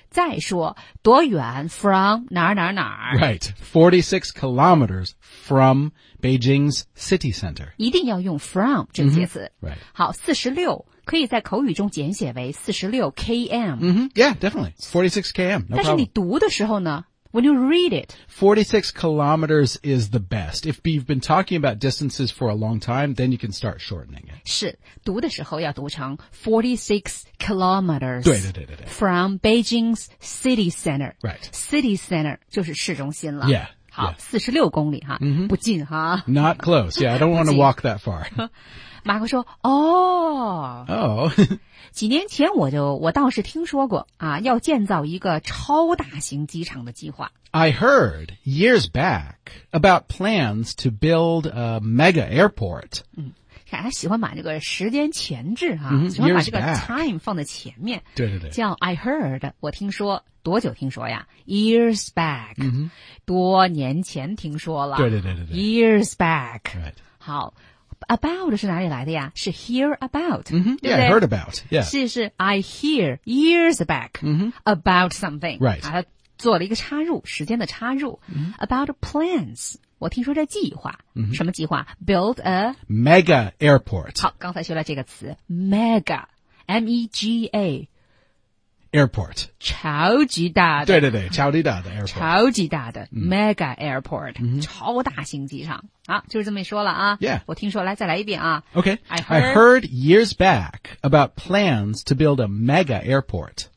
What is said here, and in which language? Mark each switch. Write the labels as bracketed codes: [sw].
[zh] 再说多远 from 哪儿哪儿哪儿 [en] Right, 46 kilometers from Beijing's city center. [zh] 一定要用 from 这个介词、 [en] mm-hmm. right. [zh] 好46可以在口语中简写为 46km、 [en] mm-hmm. Yeah, definitely 46km、no、 [zh] 但是你读的时候呢 [en] When you read it 46 kilometers is the best If you've been talking about distances for a long time Then you can start shortening it [zh] 是读的时候要读成46 kilometers 对 [en] From Beijing's city center Right [zh] City center 就是市中心了 [en] Yeah [zh] 好46公里哈、 mm-hmm. 不近哈 [en] Not close Yeah, I don't want to walk that far [zh] 马克说哦、 oh, 几年前我倒是听说过啊要建造一个超大型机场的计划。 [en] I heard years back about plans to build a mega airport. [zh] 嗯还喜欢把这个时间前置啊、mm-hmm, 喜欢把这个 time 放在前面。对。叫 [en] I heard, [zh] 我听说多久听说呀 [en] ?years back,、 mm-hmm. [zh] 多年前听说了。对。 [en] years back,、 right. [zh] 好。About 是哪里来的呀？是 [en] hear about、 mm-hmm. [zh] 对不对 [en] Yeah, I heard about、yeah. 是 I hear years back、 mm-hmm. about something Right [zh] 他做了一个插入时间的插入、 mm-hmm. [en] About plans [zh] 我听说这计划、 mm-hmm. 什么计划 [en] Build a Mega airport [zh] 好刚才学了这个词 Mega M-E-G-A [en] Airport [zh] 超级大的对超级大的 airport 超级大的、mm-hmm. [en] Mega airport、 mm-hmm. [zh] 超大型机场好就是这么说了啊 [en] Yeah [zh] 我听说来再来一遍啊 [en] Okay I heard years back about plans to build a mega airport